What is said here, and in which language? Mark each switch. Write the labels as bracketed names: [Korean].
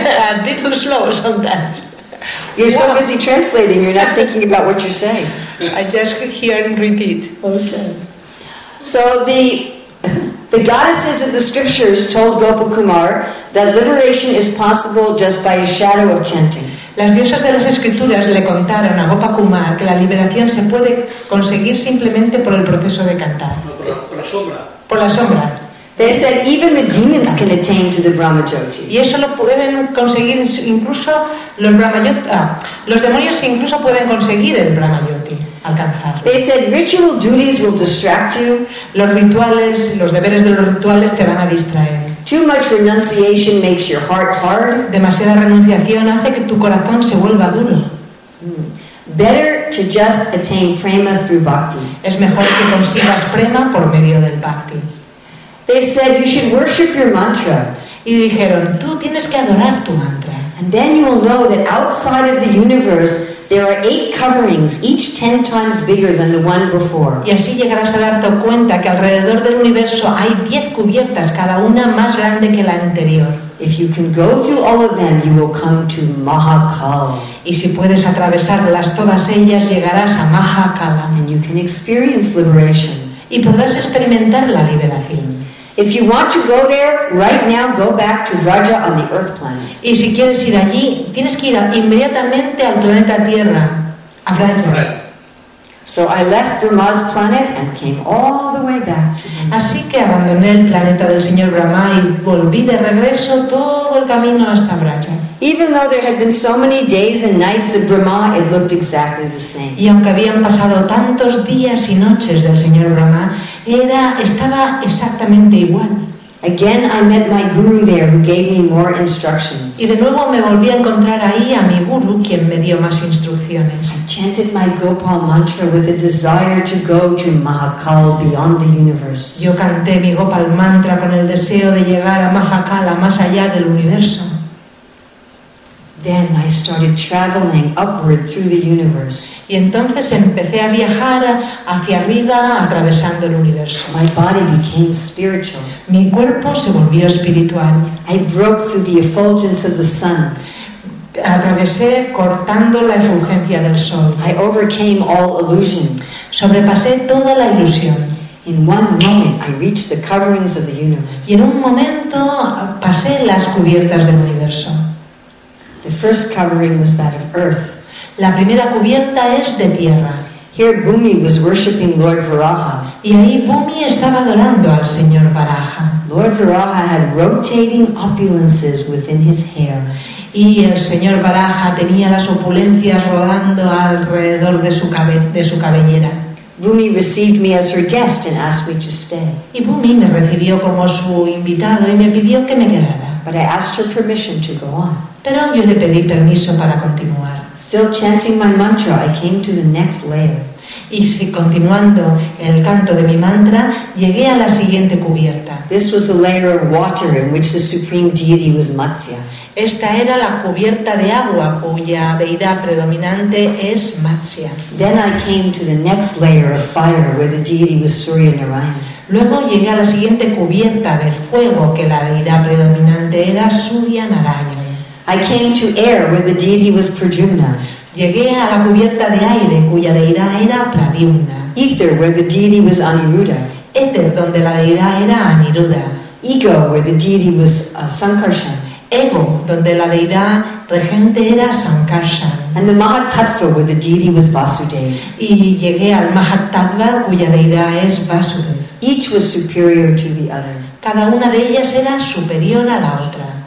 [English] A bit too slow sometimes. You're so busy translating, you're not thinking about what you're saying. I just hear and repeat. Okay. So the goddesses of the scriptures told Gopakumar that liberation is possible just by a shadow of chanting. [Spanish] Las diosas de las escrituras le contaron a Gopakumar que la liberación se puede conseguir simplemente por el proceso de cantar. Por la sombra. [English] They said even the demons can attain to the Brahma Jyoti. [Spanish] Y eso lo pueden conseguir incluso los Brahma Jyoti. Los demonios incluso pueden conseguir el Brahma Jyoti, alcanzarlo. [English] They said ritual duties will distract you. [Spanish] Los rituales, los deberes de los rituales te van a distraer. [English] Too much renunciation makes your heart hard. [Spanish] Demasiada renunciación hace que tu corazón se vuelva duro. [English] Better to just attain prema through bhakti. [Spanish] Es mejor que consigas prema por medio del bhakti. [English] They said you should worship your mantra. [Spanish] Y dijeron, tú tienes que adorar tu mantra. [English] And then you will know that outside of the universe There are 8 coverings, each 10 times bigger than the one before. [Spanish] Y así llegarás a darte cuenta que alrededor del universo hay 10 cubiertas, cada una más grande que la anterior. [English] If you can go through all of them, you will come to Mahakala. [Spanish] Y si puedes atravesarlas todas ellas, llegarás a Mahakala. [English] And you can experience liberation. [Spanish] Y podrás experimentar la liberación. [English] If you want to go there right now, go back to Raja on the Earth planet. [Spanish] Y si quieres ir allí, tienes que ir inmediatamente al planeta Tierra, a Raja. [English] So I left Brahma's planet and came all the way back. [Spanish] Así que abandoné el planeta del señor Brahma y volví de regreso todo el camino hasta Raja. [English] Even though there had been so many days and nights of Brahma, it looked exactly the same. [Spanish] Y aunque habían pasado tantos días y noches del señor Brahma, estaba exactamente igual. [English] Again, I met my guru there, who gave me more instructions. [Spanish] Y de nuevo me volví a encontrar ahí a mi guru, quien me dio más instrucciones. [English] I chanted my Gopal mantra with a desire to go to Mahakala beyond the universe. [Spanish] Yo canté mi Gopal mantra con el deseo de llegar a Mahakala, más allá del universo. [English] Then I started traveling upward through the universe. [Spanish] Y entonces empecé a viajar hacia arriba, atravesando el universo. [English] My body became spiritual. [Spanish] Mi cuerpo se volvió espiritual. [English] I broke through the effulgence of the sun. [Spanish] Atravesé cortando la efulgencia del sol. [English] I overcame all illusion. [Spanish] Sobrepasé toda la ilusión. [English] In one moment, I reached the coverings of the universe. [Spanish] Y en un momento pasé las cubiertas del universo. [English] The first covering was that of earth. [Spanish] La primera cubierta es de tierra. [English] Here Bhumi was worshipping Lord Varaha. [Spanish] Y ahí Bhumi estaba adorando al señor Varaha. [English] Lord Varaha had rotating opulences within his hair. [Spanish] Y el señor Varaha tenía las opulencias rodando alrededor de su cabellera. [English] Bhumi received me as her guest and asked me to stay. [Spanish] Y Bhumi me recibió como su invitado y me pidió que me quedara. [English] But I asked her permission to go on. [Spanish] Pero yo le pedí permiso para continuar. [English] Still chanting my mantra, I came to the next layer. [Spanish] Y si continuando el canto de mi mantra, llegué a la siguiente cubierta. [English] This was the layer of water in which the supreme deity was Matsya. [Spanish] Esta era la cubierta de agua cuya deidad predominante es Matsya. [English] Then I came to the next layer of fire where the deity was Surya Narayana. [Spanish] Luego llegué a la siguiente cubierta de fuego que la deidad predominante era Surya Narayana. [English] I came to air where the deity was Prajumna. [Spanish] Llegué a la cubierta de aire cuya deidad era Pradyumna. [English] Ether where the deity was Aniruddha. [Spanish] Éter donde la deidad era Aniruddha. [English] Ego where the deity was Sankarshan. [Spanish] Ego donde la deidad regente era Sankarshan. [English] And the Mahatattva where the deity was Vasudeva. [Spanish] Y llegué al Mahatattva cuya deidad es Vasudev. [English] Each was superior to the other. [Spanish] Cada una de ellas era superior a la otra.